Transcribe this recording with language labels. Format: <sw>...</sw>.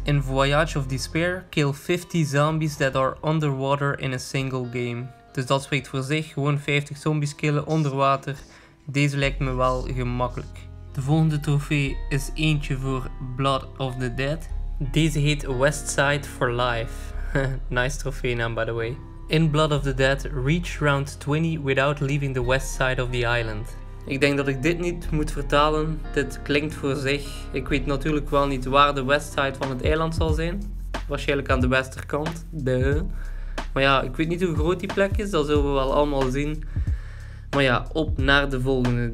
<en>In Voyage of Despair, kill 50 zombies that are underwater in a single game.</en> <nl>Dus dat spreekt voor zich, gewoon 50 zombies killen onder water. Deze lijkt me wel gemakkelijk. De volgende trofee is eentje voor Blood of the Dead. Deze heet West Side for Life. Nice trofee naam,</nl> <en>by the way. In Blood of the Dead, reach round 20 without leaving the west side of the island.</en> <nl>Ik denk dat ik dit niet moet vertalen. Dit klinkt voor zich. Ik weet natuurlijk wel niet waar de west side van het eiland zal zijn. Waarschijnlijk aan de westerkant. Duh. Maar ja, ik weet niet hoe groot die plek is. Dat zullen we wel allemaal zien. Maar ja, op naar de volgende.</nl>